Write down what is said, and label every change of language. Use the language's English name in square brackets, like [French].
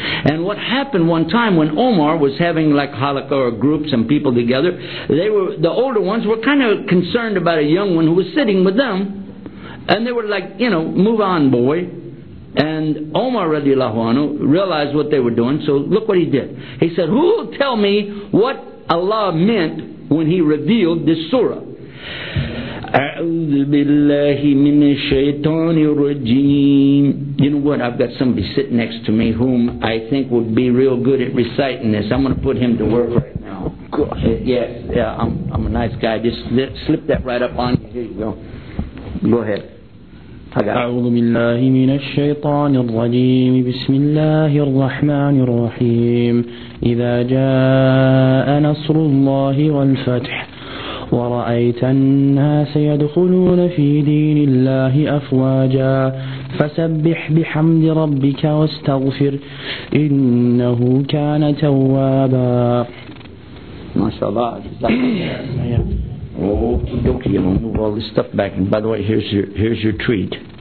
[English] And what happened one time when Omar was having like halakha or groups and people together, the older ones were kind of concerned about a young one who was sitting with them. And they were like, you know, move on, boy. And Omar radiallahu anhu realized what they were doing. So look what he did. He said, who will tell me what Allah meant when he revealed this surah? [Arabic] أعوذ بالله من الشيطان الرجيم. [English] You know what? I've got somebody sitting next to me whom I think would be real good at reciting this. I'm going to put him to work right now. Gosh. I'm a nice guy. Just slip that right up on you. Here you go. Go ahead. [Arabic] أعوذ بالله من الشيطان الرجيم بسم الله الرحمن الرحيم إذا جاء نصر الله والفتح ورأيت الناس يدخلون في دين الله أفواجا فسبح بحمد ربك واستغفر إنه كان توابا. ما شاء الله. [English] Okie dokie, I'm gonna move all this stuff back. And by the way, here's your treat.